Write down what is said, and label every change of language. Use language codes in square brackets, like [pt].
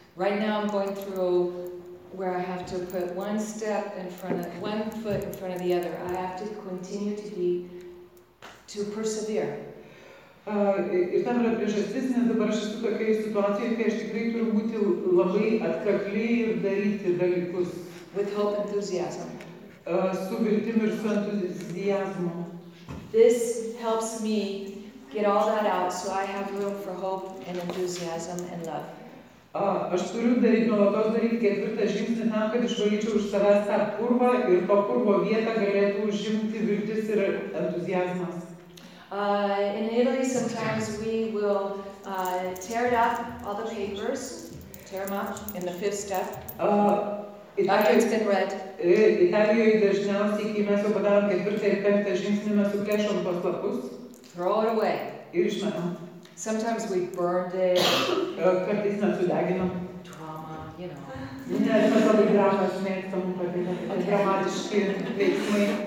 [en] Right now I'm going through where I have to put one step in front of one foot in front of the other. I have to continue to persevere. [lt] Ir tam yra priežastis, nes dabar aš esu tokioje situacijoje, kai aš tikrai turiu būti labai atkakli ir daryti dalykus. [en] With hope and enthusiasm. [lt] Su viltim ir su entuziazmu. [en] This helps me get all that out, so I have room for hope and enthusiasm and love. [lt] Aš turiu daryti nuolatos daryti ketvirtą žingsnį tam, kad išvalyčiau už savęs tą purvą ir to purvo vietą galėtų užimti viltis ir entuziazmas. [en] In Italy, sometimes we will tear it up, all the papers, tear them up in the fifth step, after it's been read. [lt] Italijoje dažniausiai, kai mes jau padarom ketvirtą ir penktą žingsnį, mes suplėšom tuos lapus. [en] Throw it away. [lt] Ir išmetam. [en] Sometimes we burned it. [lt] Kartais mes sudeginam. [en] Trauma, you know. [lt] Ne, mes labai dramas mėgstam, kad yra dramatiški veiksmai.